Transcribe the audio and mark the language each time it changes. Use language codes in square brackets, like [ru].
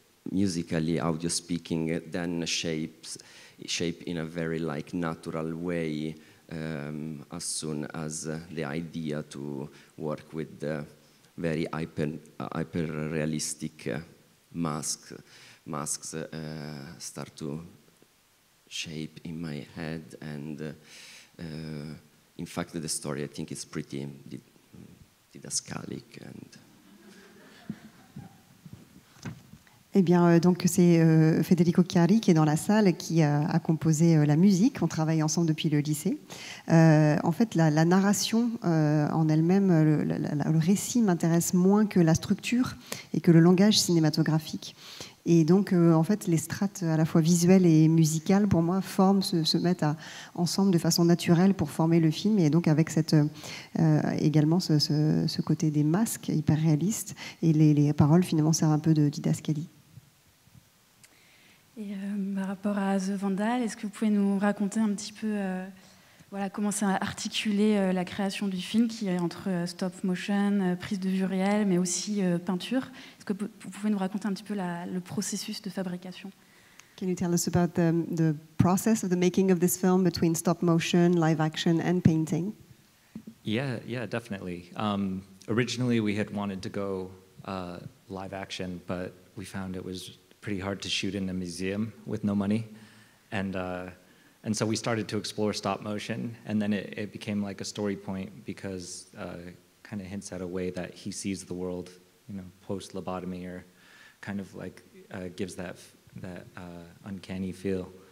[en] musically, audio speaking, then shape in a very like natural way as soon as the idea to work with the very hyper realistic masks start to shape in my head, and in fact the story I think is pretty didascalic. And [fr] eh bien, donc c'est Federico Chiari qui est dans la salle, qui a composé la musique. On travaille ensemble depuis le lycée. En fait, la narration en elle-même, le récit m'intéresse moins que la structure et que le langage cinématographique. Et donc, en fait, les strates à la fois visuelles et musicales, pour moi, se mettent ensemble de façon naturelle pour former le film. Et donc, avec ce côté des masques hyper réalistes, et les paroles, finalement, servent un peu de didascalie. Et par rapport à The Vandal, est-ce que vous pouvez nous raconter un petit peu comment c'est articulé la création du film, qui est entre stop motion, prise de vue réelle, mais aussi peinture? Est-ce que vous pouvez nous raconter un petit peu le processus de fabrication? [en] Can you tell us about the process of the making of this film between stop motion, live action and painting? Yeah, definitely. Originally we had wanted to go live action, but we found it was pretty hard to shoot in a museum with no money, and so we started to explore stop motion, and then it became like a story point, because kind of hints at a way that he sees the world, you know, post lobotomy, or kind of like gives that uncanny feel.